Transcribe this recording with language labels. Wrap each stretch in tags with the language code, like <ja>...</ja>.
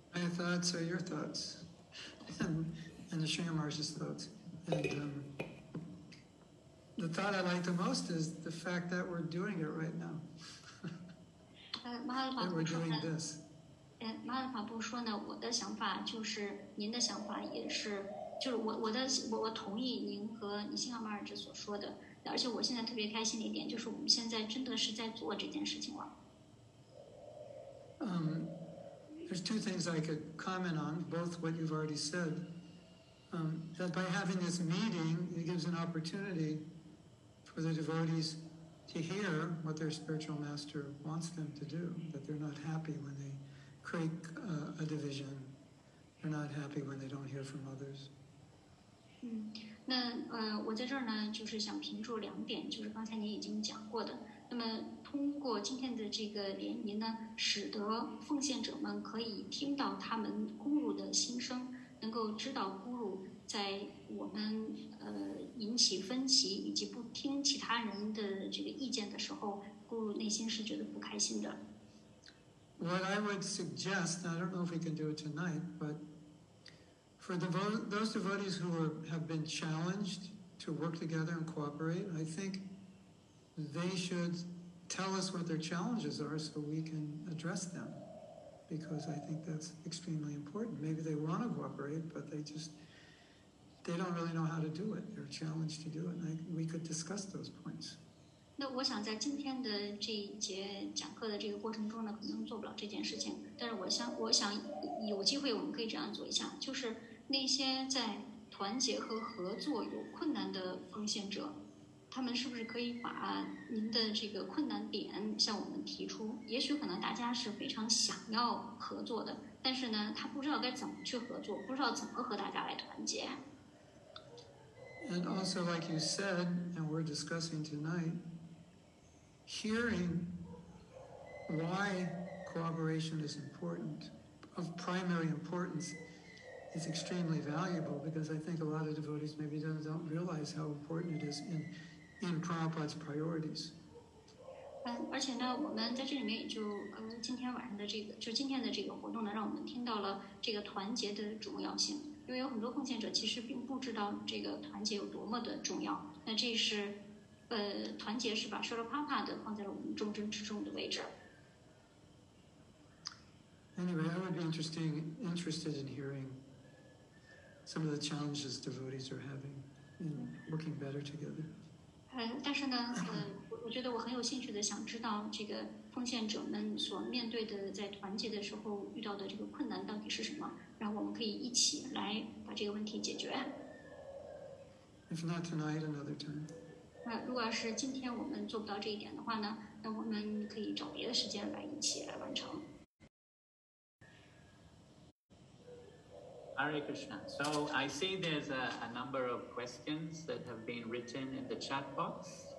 <en>thoughts are your thoughts, and the Sringa Maharaj's thoughts. And the thought I like the most is the fact that we're doing it right now. that we're doing this.</en> <zh>Mahaprabhu 说呢，我的想法就是您的想法也是，就是我同意您和尼辛哈马尔之所说的，而且我现在特别开心的一点就是我们现在真的是在做这件事情了。</zh> <en>There's two things I could comment on, both what you've already said. That by having this meeting, it gives an opportunity for the devotees to hear what their spiritual master wants them to do, that they're not happy when they create a division. They're not happy when they don't hear from others.</en> <zh>那我在这儿呢，就是想评注两点，就是刚才您已经讲过的。那么通过今天的这个联谊呢，使得奉献者们可以听到他们咕噜的心声，能够知道咕噜在我们引起分歧以及不听其他人的这个意见的时候，咕噜内心是觉得不开心的。</zh> <en>What I would suggest, I don't know if we can do it tonight, but for those devotees who have been challenged to work together and cooperate, I think,they should tell us what their challenges are so we can address them, because I think that's extremely important. Maybe they want to cooperate, but they don't really know how to do it. They're challenged to do it, we could discuss those points.</en> <zh>那我想在今天的这一节讲课的这个过程中呢，可能做不了这件事情，但是我想有机会我们可以这样做一下，就是那些在团结和合作有困难的奉献者，他们是不是可以把您的这个困难点向我们提出？也许可能大家是非常想要合作的，但是呢，他不知道该怎么去合作，不知道怎么和大家来团结。</zh> <en>And also, like you said, and we're discussing tonight, hearing why cooperation is important, of primary importance, is extremely valuable, because I think a lot of devotees maybe don't realize how important it is in Prabhupada's priorities.</en> <zh>而且呢，我们在这里面也就今天晚上的这个，就今天的这个活动呢，让我们听到了这个团结的重要性。因为有很多奉献者其实并不知道这个团结有多么的重要。那这是，团结是把舍罗帕帕的放在了我们重中之重的位置。</zh> <en>Anyway, I would be interested in hearing some of the challenges devotees are having in working better together.</en> <zh>但是呢，我觉得我很有兴趣的想知道这个奉献者们所面对的在团结的时候遇到的这个困难到底是什么，然后我们可以一起来把这个问题解决。</zh> <en>If not tonight, another time.</en> <zh>如果是今天我们做不到这一点的话呢，那我们可以找别的时间来一起来完成。</zh> <en>Hare Krishna. So I see there's a number of questions that have been written in the chat box.</en>